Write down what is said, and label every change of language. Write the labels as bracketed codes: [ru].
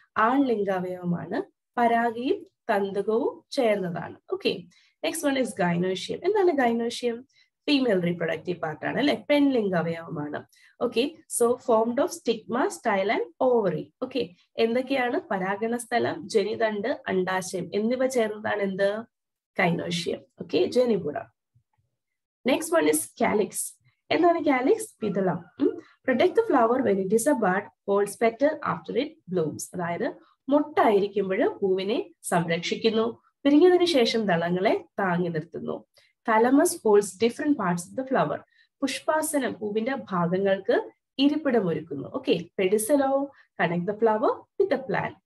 [ml] ആൺലിംഗാവയവമാണ് പരാഗിയും തന്തകവും ചേർന്നതാണ് okay [en] next one is gynoecium [ml] എന്താണ് ഗൈനോഷ്യം female reproductive part ആണ് അല്ലെ പെൺലിംഗാവയവമാണ് okay [en] so formed of stigma style and ovary [ml] okay എന്തൊക്കെയാണ് പരാഗണ സ്ഥലം ജനിതണ്ട് അണ്ടാശയം എന്നിവ ചേർന്നതാണ് എന്ത് ഗൈനോഷ്യം okay ജനിപുറ [en] Next one is calyx. [ml] എന്താണ് calyx? വിതളം. [en] Protect the flower when it is a bud, holds petal after it blooms. [ml] അതായത് മൊട്ട ആയിരിക്കുമ്പോൾ പൂവിനെ സംരക്ഷിക്കുന്നു പിരിഞ്ഞതിന് ശേഷം ദളങ്ങളെ താങ്ങി നിർത്തുന്നു [en] thalamus holds different parts of the flower. [ml] പുഷ്പാസനം പൂവിന്റെ ഭാഗങ്ങൾക്ക് ഇരിപ്പിടമൊരുക്കുന്നു okay പെഡിസലോ [en] connect the flower with the plant.